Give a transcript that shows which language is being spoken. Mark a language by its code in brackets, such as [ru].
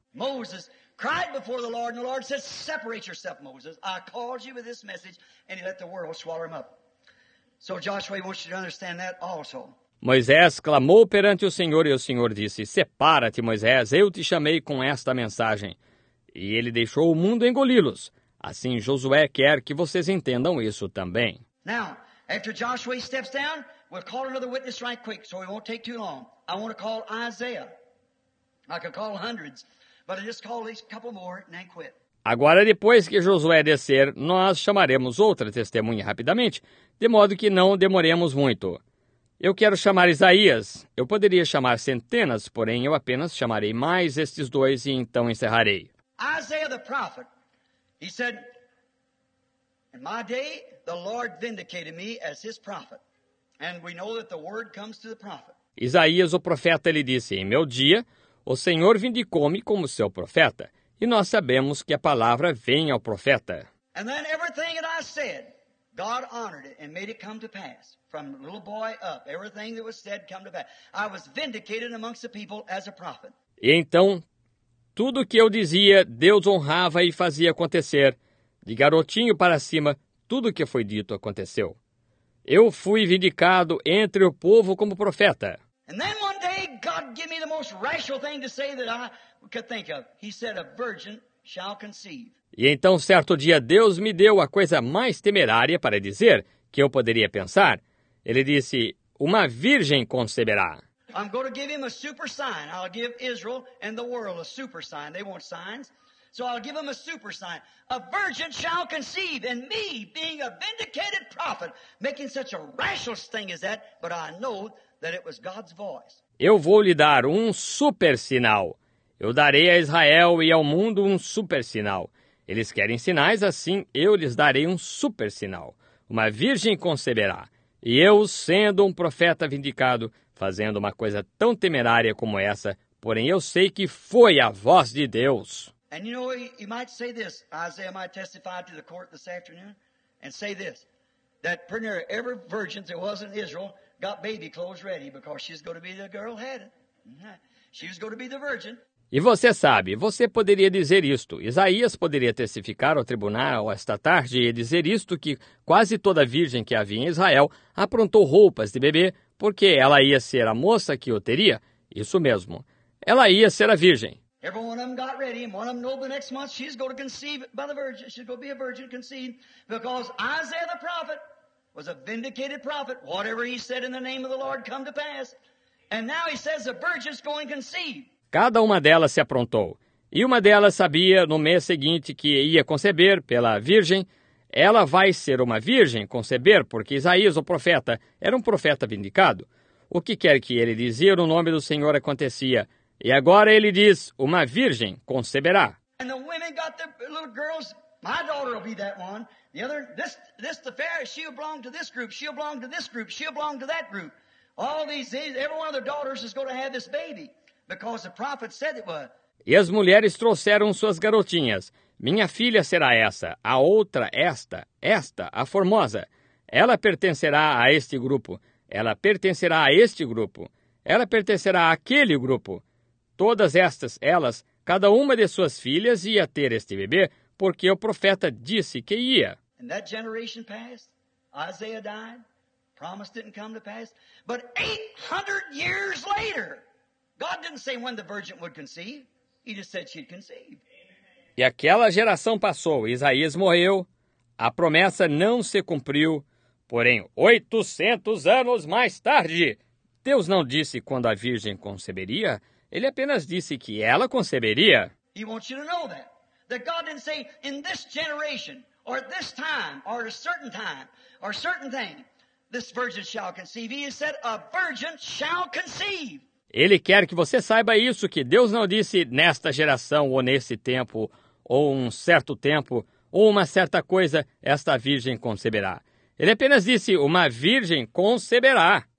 [en] Moses cried before the Lord, and the Lord said, "Separate yourself, Moses. I called you with this message," and he let the world swallow him up. So Joshua wants you to understand that also. [pt] Moisés clamou perante o Senhor, e o Senhor disse, "Separa-te, Moisés, eu te chamei com esta mensagem." E ele deixou o mundo engoli-los. Assim, Josué quer que vocês entendam isso também. [en] Now, after Joshua steps down, we'll call another witness right quick, so it won't take too long. I want to call Isaiah. I could call hundreds, but I just call these couple more and then quit. [pt] Agora, depois que Josué descer, nós chamaremos outra testemunha rapidamente, de modo que não demoremos muito. Eu quero chamar Isaías. Eu poderia chamar centenas, porém eu apenas chamarei mais estes dois e então encerrarei. [en] Isaiah the prophet. He said, "In my day, the Lord vindicated me as his prophet." And we know that the word comes to the prophet. [pt] Isaías, o profeta, ele disse, "Em meu dia, o Senhor vindicou-me como seu profeta." E nós sabemos que a palavra vem ao profeta. [en] And then everything that I said, God honored it and made it come to pass. From little boy up, everything that was said come to pass. I was vindicated amongst the people as a prophet. [pt] E então, tudo o que eu dizia, Deus honrava e fazia acontecer. De garotinho para cima, tudo o que foi dito aconteceu. Eu fui vindicado entre o povo como profeta. [en] And then one day God, give me the most rational thing to say that I could think of. He said, a virgin shall conceive. [pt] E então, certo dia, Deus me deu a coisa mais temerária para dizer que eu poderia pensar. Ele disse, uma virgem conceberá. [en] I'm going to give him a super sign. I'll give Israel and the world a super sign. They want signs. So I'll give them a super sign. A virgin shall conceive, and me, being a vindicated prophet, making such a rational thing as that, but I know that it was God's voice. [pt] Eu vou lhe dar um super sinal. Eu darei a Israel e ao mundo um super sinal. Eles querem sinais, assim eu lhes darei um super sinal. Uma virgem conceberá. E eu, sendo um profeta vindicado, fazendo uma coisa tão temerária como essa, porém eu sei que foi a voz de Deus. [en] And you know, you might say this, Isaiah might testify to the court this afternoon, and say this, that pretty near every virgin that wasn't Israel got baby clothes ready because she's going to be the girl headed. She was going to be the virgin. [pt] E você sabe, você poderia dizer isto. Isaías poderia testificar ao tribunal esta tarde e dizer isto, que quase toda virgem que havia em Israel aprontou roupas de bebê porque ela ia ser a moça que o teria. Isso mesmo, ela ia ser a virgem. [en] Every one of them got ready, and one of them knows the next month she's going to conceive by the virgin. She's going to be a virgin conceived, because Isaiah the prophet was a vindicated prophet. Whatever he said in the name of the Lord come to pass. And now he says the virgin's going to conceive. [pt] Cada uma delas se aprontou, e uma delas sabia no mês seguinte que ia conceber pela virgem. Ela vai ser uma virgem conceber, porque Isaías, o profeta, era um profeta vindicado. O que quer que ele dizia no nome do Senhor acontecia. E agora ele diz, uma virgem conceberá. [en] And the women got the little girls. My daughter will be that one. The other, this the fairest, she'll belong to this group, she'll belong to this group, she'll belong to that group. All these, every one of their daughters is going to have this baby, because the prophet said it was. [pt] E as mulheres trouxeram suas garotinhas. Minha filha será essa, a outra esta, esta, a formosa. Ela pertencerá a este grupo, ela pertencerá a este grupo, ela pertencerá àquele grupo. Todas estas, elas, cada uma de suas filhas ia ter este bebê, porque o profeta disse que ia. [en] And that generation passed. Isaiah died. Promise didn't come to pass. But 800 years later, God didn't say when the virgin would conceive. He just said she'd conceive. [pt] E aquela geração passou. Isaías morreu. A promessa não se cumpriu. Porém, 800 anos mais tarde, Deus não disse quando a virgem conceberia. Ele apenas disse que ela conceberia. [en] He wants you to know that. That God didn't say in this generation, or at this time, or a certain thing, this virgin shall conceive. He said, a virgin shall conceive. [pt] Ele quer que você saiba isso, que Deus não disse nesta geração, ou nesse tempo, ou um certo tempo, ou uma certa coisa, esta virgem conceberá. Ele apenas disse, uma virgem conceberá.